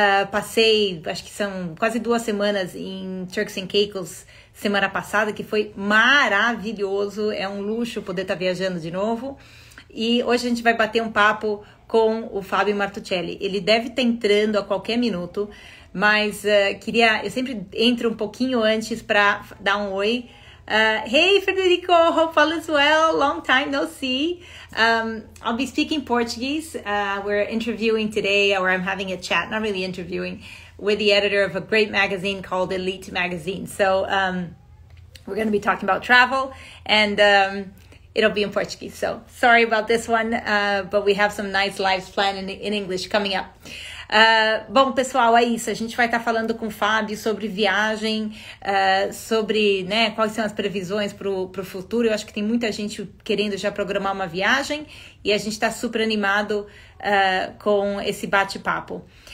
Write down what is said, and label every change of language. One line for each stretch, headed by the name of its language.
Portuguese: Passei, acho que são quase 2 semanas em Turks and Caicos semana passada, que foi maravilhoso. É um luxo poder estar viajando de novo. E hoje a gente vai bater um papo com o Fábio Martuccelli. Ele deve estar entrando a qualquer minuto, mas eu sempre entro um pouquinho antes para dar um oi.
English: Hey Federico, hope all is well. Long time no see. I'll be speaking Portuguese. We're interviewing today, or I'm having a chat, not really interviewing, with the editor of a great magazine called Elite Magazine. So we're going to be talking about travel, and it'll be in Portuguese. So sorry about this one, but we have some nice lives planned in English coming up.
Portuguese: Bom, pessoal, é isso. A gente vai estar falando com o Fábio sobre viagem, sobre, né, quais são as previsões para o futuro. Eu acho que tem muita gente querendo já programar uma viagem e a gente está super animado, com esse bate-papo.